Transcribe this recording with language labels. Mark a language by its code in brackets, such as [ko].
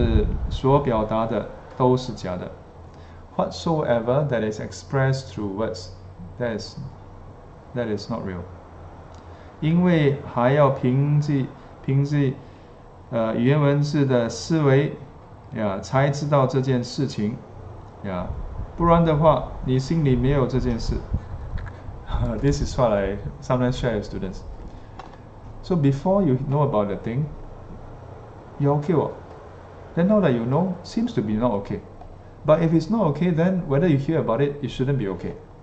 [zh] 是凡用语言文字所表达的都是假的。 [en] Whatsoever that is expressed through words, that is not real. [zh] 因为还要凭借语言文字的思维, yeah, 才知道这件事情, yeah, 不然的话, 你心里没有这件事。 [en] This is what I sometimes share with students. So before you know about the thing, you're okay. Then now that you know, seems to be not okay. But if it's not okay, then whether you hear about it, it shouldn't be okay.